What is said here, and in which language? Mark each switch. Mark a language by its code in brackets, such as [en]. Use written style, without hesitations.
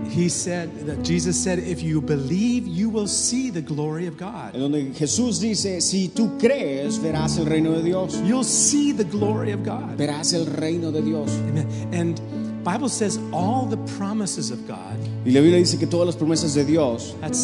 [en] He said that Jesus said, "If you believe, you will see the glory of God." [es] En donde Jesús dice, si tú crees, verás el reino de Dios. [en] You'll see the glory of God. [es] Verás el reino de Dios. Amen. [en] And Bible says all the promises of God. [es] Y la Biblia dice que todas las promesas de Dios.